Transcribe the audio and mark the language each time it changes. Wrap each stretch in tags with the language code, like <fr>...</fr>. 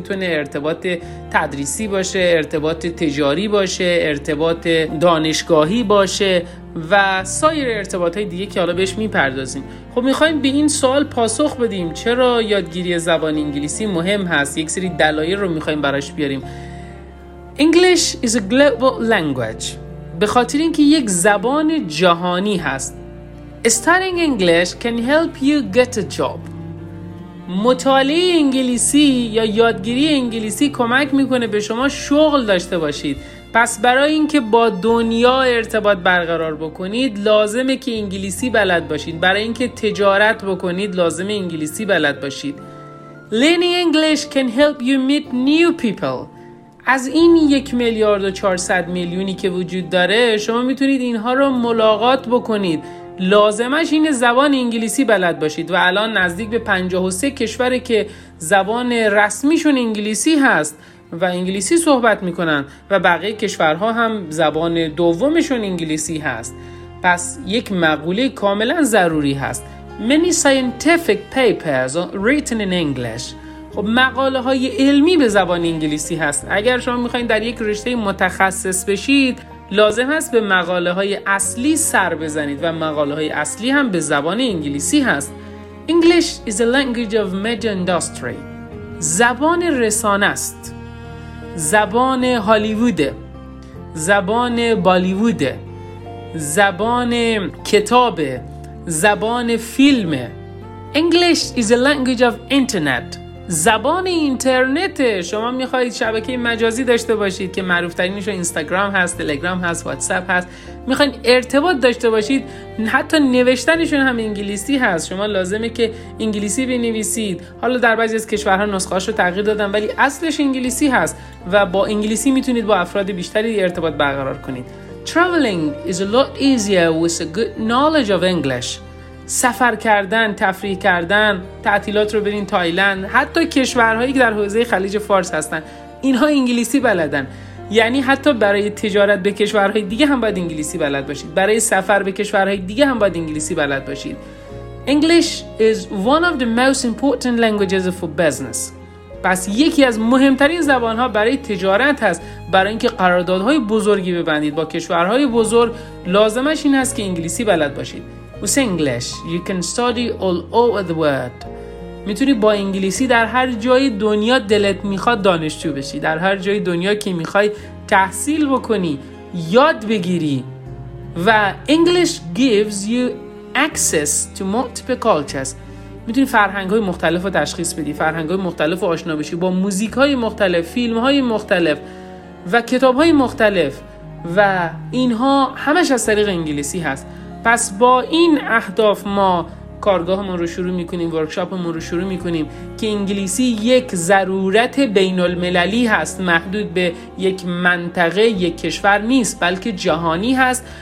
<fa>میتونه ارتباط تدریسی باشه، ارتباط تجاری باشه، ارتباط دانشگاهی باشه و سایر ارتباط های دیگه که حالا بهش میپردازیم. خب میخواییم به این سوال پاسخ بدیم چرا یادگیری زبان انگلیسی مهم هست، یک سری دلایل رو میخواییم براش بیاریم.</fa> <en>English is a global language،</en> <fa>به خاطر اینکه یک زبان جهانی هست.</fa> <en>Studying English can help you get a job.</en> <fa>مطالعه انگلیسی یا یادگیری انگلیسی کمک میکنه به شما شغل داشته باشید. پس برای اینکه با دنیا ارتباط برقرار بکنید لازمه که انگلیسی بلد باشید. برای اینکه تجارت بکنید لازمه انگلیسی بلد باشید.</fa> <en>Learning English can help you meet new people.</en> <fa>از این 1,400,000,000 که وجود داره شما میتونید اینها رو ملاقات بکنید. لازمش اینه زبان انگلیسی بلد باشید و الان نزدیک به 53 کشور که زبان رسمیشون انگلیسی هست و انگلیسی صحبت میکنن و بقیه کشورها هم زبان دومشون انگلیسی هست. پس یک مقوله کاملا ضروری هست:</fa> <en>Many scientific papers written in English.</en> <fa>خب مقاله های علمی به زبان انگلیسی هست. اگر شما میخواین در یک رشته متخصص بشید لازم هست به مقاله های اصلی سر بزنید و مقاله های اصلی هم به زبان انگلیسی هست.</fa> <en>English is a language of media industry.</en> <fa>زبان رسانه است. زبان هالیووده. زبان بالیووده. زبان کتابه. زبان فیلمه.</fa> <en>English is a language of internet.</en> <fa>زبان اینترنته. شما میخواهید شبکه مجازی داشته باشید که معروفترینش اینستاگرام هست، تلگرام هست، واتساپ هست، میخواین ارتباط داشته باشید، حتی نوشتنشون هم انگلیسی هست، شما لازمه که انگلیسی بنویسید. حالا در بعضی از کشورها نسخه‌هاش رو تغییر دادن ولی اصلش انگلیسی هست و با انگلیسی میتونید با افراد بیشتری ارتباط برقرار کنید.</fa> <en>Traveling is a lot easier with a good knowledge of English.</en> <fa>سفر کردن، تفریح کردن، تعطیلات رو برین تایلند، حتی کشورهایی که در حوزه خلیج فارس هستن، اینها انگلیسی بلدن. یعنی حتی برای تجارت به کشورهای دیگه هم باید انگلیسی بلد باشید. برای سفر به کشورهای دیگه هم باید انگلیسی بلد باشید.</fa> <en>English is one of the most important languages for business.</en> <fa>پس یکی از مهمترین زبانها برای تجارت هست. برای اینکه قراردادهای بزرگی ببندید با کشورهای بزرگ لازمش این هست که انگلیسی بلد باشید.</fa> <en>With English, you can study all over the world.</en> <fa>میتونی با انگلیسی در هر جای دنیا دلت میخواد دانشجو بشی، در هر جای دنیا که میخوای تحصیل بکنی، یاد بگیری.</fa> <en>و English gives you access to multiple cultures.</en> <fa>میتونی فرهنگ‌های مختلف رو تشخیص بدی، فرهنگ‌های مختلف رو آشنا بشی، با موزیک‌های مختلف، فیلم‌های مختلف و کتاب‌های مختلف، و اینها همش از طریق انگلیسی هست. پس با این اهداف ما کارگاهمون رو شروع میکنیم، ورکشاپمون رو شروع میکنیم که انگلیسی یک ضرورت بین المللی هست، محدود به یک منطقه، یک کشور نیست، بلکه جهانی هست.</fa>